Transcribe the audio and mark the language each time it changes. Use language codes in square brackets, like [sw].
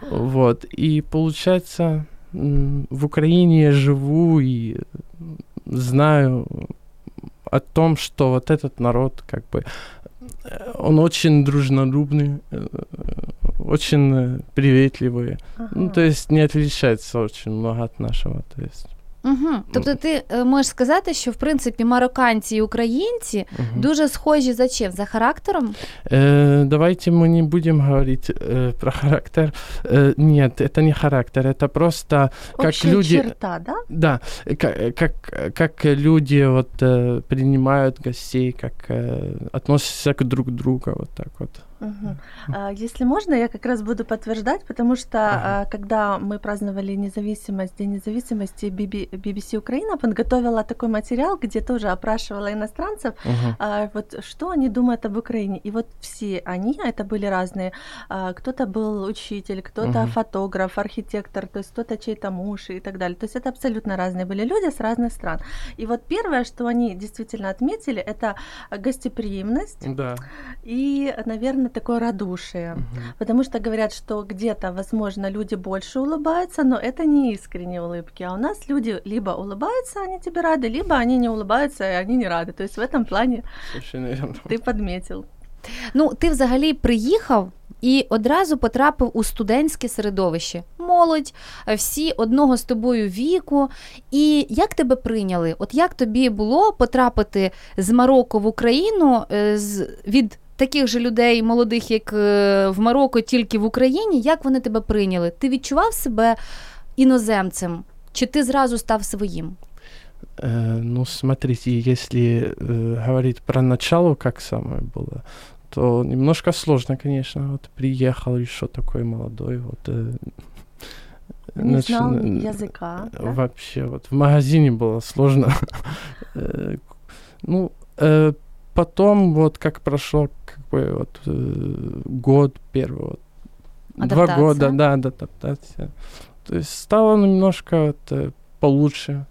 [ru] Вот, и получается, в Украине я живу и знаю о том, что вот этот народ, как бы, он очень дружелюбный, очень приветливый. Ага. Ну, то есть не отличается очень много от нашего, то есть... Угу. [uk] Тобто ти можеш сказати, що в принципі марокканці і українці дуже схожі за чим? За характером? Давайте ми не будемо говорити про характер. Ні, це не характер, це просто як люди... [ru] Черта, да? [uk] Да, як люди от приймають гостей, як відносяться друг до друга, от так от. [ru] Если можно, я как раз буду подтверждать, потому что когда мы праздновали независимость, День независимости, BBC Украина подготовила такой материал, где тоже опрашивала иностранцев, вот что они думают об Украине. И вот все они, это были разные, кто-то был учитель, кто-то фотограф, архитектор, то есть кто-то чей-то муж и так далее. То есть это абсолютно разные были люди с разных стран. И вот первое, что они действительно отметили, это гостеприимность и, наверное, такое радушие, потому что говорят, что где-то, возможно, люди больше улыбаются, но это не искренние улыбки, а у нас люди либо улыбаются, они тебе рады, либо они не улыбаются, и они не рады, то есть в этом плане ты подметил. [uk] Ну, ти взагалі приїхав і одразу потрапив у студентське середовище. Молодь, всі одного з тобою віку. І як тебе прийняли? От як тобі було потрапити з Марокко в Україну від таких же людей, молодих, як в Марокко, тільки в Україні, як вони тебе прийняли? Ти відчував себе іноземцем? Чи ти зразу став своїм? [ru] Ну, смотрите, если говорить про начало, как самое было, то немножко сложно, конечно, вот приехал еще такой молодой, вот... Не знал языка, да? Вообще, вот в магазине было сложно. Ну, потом, вот как прошел какой вот год первый, вот, два года, да, адаптация, то есть стало немножко вот получше.